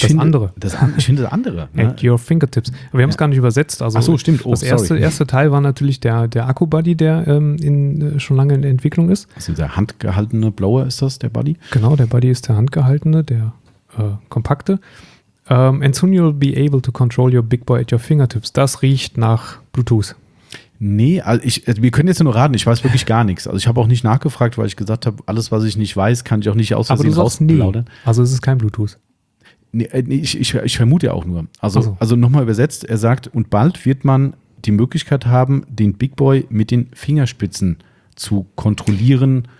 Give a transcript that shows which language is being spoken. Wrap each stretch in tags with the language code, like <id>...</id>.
<de>das finde, andere. Ich finde das andere.</de> <en>Ne? At your fingertips.</en> <de>Aber wir haben es gar nicht übersetzt. Also ach so, stimmt. Oh, das erste Teil war natürlich der Akku-Buddy, der schon lange in der Entwicklung ist. Also der handgehaltene Blower ist das, der Buddy? Genau, der Buddy ist der handgehaltene, der kompakte.</de> <en>And soon you'll be able to control your big boy at your fingertips.</en> <de>Das riecht nach Bluetooth. Nee, also wir können jetzt nur raten, ich weiß wirklich gar nichts. Also ich habe auch nicht nachgefragt, weil ich gesagt habe, alles, was ich nicht weiß, kann ich auch nicht aus Versehen rausplaudern. Also es ist kein Bluetooth. Nee, ich vermute auch nur. Also nochmal übersetzt, er sagt, und bald wird man die Möglichkeit haben, den Big Boy mit den Fingerspitzen zu kontrollieren.</de>